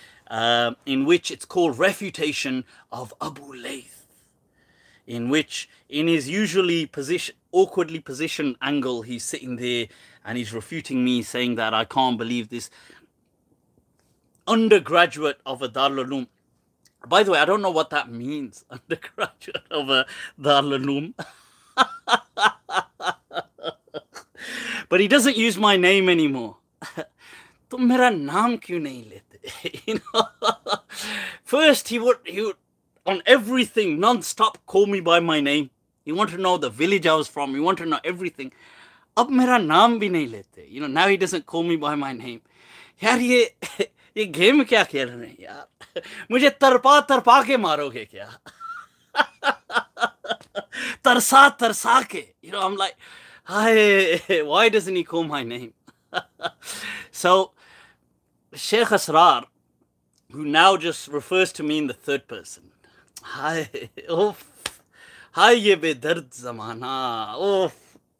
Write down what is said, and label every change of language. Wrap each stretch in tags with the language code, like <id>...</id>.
<en>in which it's called Refutation of Abu Layth, in which in his usually awkwardly positioned angle, he's sitting there and he's refuting me, saying that I can't believe this undergraduate of a Darul Uloom. By the way, I don't know what that means, undergraduate of a Darul Uloom. But he doesn't use my name anymore.</en> <ur>تم میرا نام کیوں نہیں لیتے؟</ur> <en>You know? First, he would on everything, non-stop, call me by my name. He wanted to know the village I was from. He wanted to know everything.</en> <ur>اب میرا نام بھی نہیں لیتے.</ur> <en>You know, now he doesn't call me by my name.</en> <ur>یار, یہ game کیا کھیل رہے ہیں, یار؟ مجھے تڑپا تڑپا کے ماروگے کیا؟ ترسا ترسا کے.</ur> <en>You know, I'm like, why doesn't he call my name? So, Sheikh Asrar, who now just refers to me in the third person.</en> <ur>Hi, oof. Hi, ye be dard zamana. Oof.</ur>